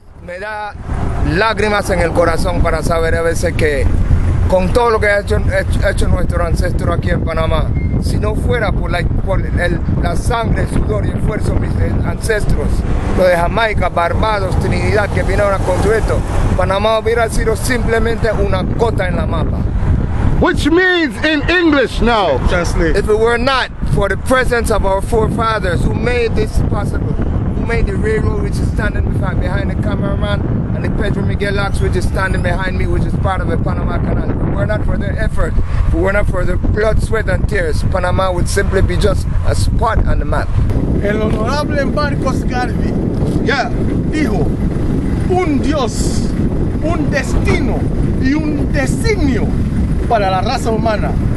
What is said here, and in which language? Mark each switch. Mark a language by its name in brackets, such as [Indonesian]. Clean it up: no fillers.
[Spanish] Me da lágrimas en el corazón para saber a veces que con todo lo que ha hecho nuestro ancestro aquí en Panamá, si no fuera por la sangre, el sudor y el esfuerzo de mis ancestros, los de Jamaica, Barbados, Trinidad, que vinieron a construir esto, Panamá hubiera sido simplemente una gota en la mapa. [English] Which means in English now. Translate. If it were not for the presence of our forefathers who made this possible, who made the railroad, which is standing behind the cameraman, and the Pedro Miguel Ox, which is standing behind me, which is part of the Panama Canal. If it were not for their effort, if it were not for their blood, sweat, and tears, Panama would simply be just a spot on the map. [Spanish] El honorable Marcos Garvey, yeah, dijo, un Dios, un destino, y un designio para la raza humana.